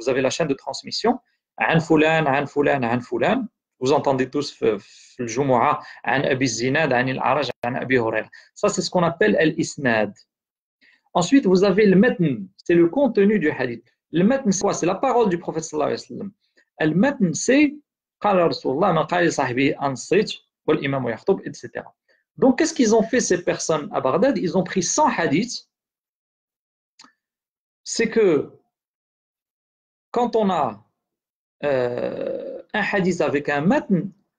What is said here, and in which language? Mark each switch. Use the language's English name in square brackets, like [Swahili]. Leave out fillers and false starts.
[French] Vous avez la chaîne de transmission « An fulan, an fulan, an fulan » Vous entendez tous « le Jumu'ah »« An Abi Zinad, an il Araj, an Abi Hurayra » Ça, c'est ce qu'on appelle « al-isnad ». Ensuite, vous avez le « matn », c'est le contenu du hadith. Le « matn », c'est quoi? C'est la parole du prophète sallallahu alayhi wa sallam. [Arabic] المتن سي قال رسول الله من قال صاحبي انصت والامام يخطب etc. [French] Donc qu'est-ce qu'ils ont fait ces personnes à Bagdad? Ils ont pris 100 hadiths. C'est que quand on a un hadith avec un matn,